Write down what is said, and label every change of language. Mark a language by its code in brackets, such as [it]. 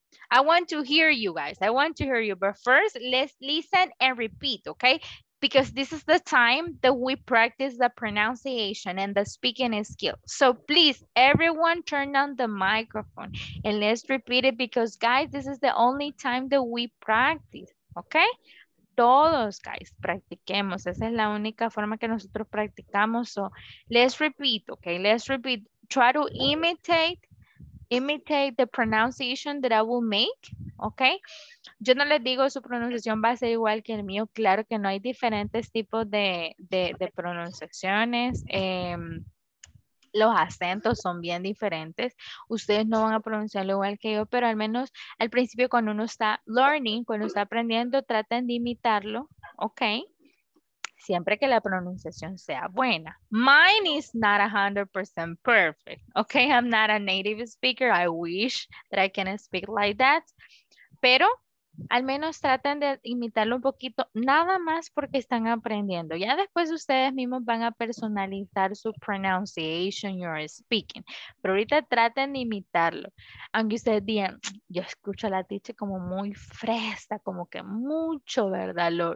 [en] I want to hear you guys. I want to hear you. But first, let's listen and repeat, okay? Because this is the time that we practice the pronunciation and the speaking skill. So please, everyone turn on the microphone and let's repeat it because guys, this is the only time that we practice, okay? [es] Todos, guys, practiquemos. Esa es la única forma que nosotros practicamos. [en] So let's repeat, okay? Let's repeat. Try to imitate the pronunciation that I will make, okay? [es] Yo no les digo su pronunciación va a ser igual que el mío. Claro que no hay diferentes tipos de pronunciaciones. Los acentos son bien diferentes. Ustedes no van a pronunciarlo igual que yo, pero al menos al principio cuando uno está learning, cuando está aprendiendo, traten de imitarlo, okay? Siempre que la pronunciación sea buena. [en] Mine is not 100% perfect, okay? I'm not a native speaker. I wish that I can speak like that. [es] Pero al menos traten de imitarlo un poquito, nada más porque están aprendiendo. Ya después ustedes mismos van a personalizar su [en] pronunciation, your speaking. [es] Pero ahorita traten de imitarlo. Aunque ustedes digan, yo escucho a la teacher como muy fresca, como que mucho, ¿verdad?